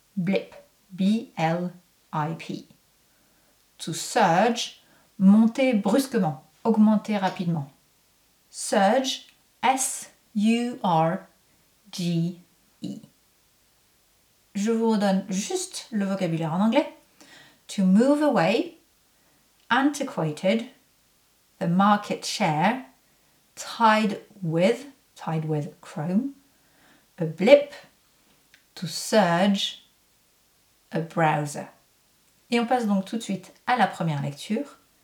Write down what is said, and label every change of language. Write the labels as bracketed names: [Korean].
[English] Blip, B-L-I-P. To surge, [French] monter brusquement, augmenter rapidement. [English] Surge, S-U-R-G-E. [French] Je vous redonne juste le vocabulaire en anglais. [English] To move away, antiquated, the market share, tied with Chrome, a blip, to surge, a browser. [French] Et on passe donc tout de suite à la première lecture.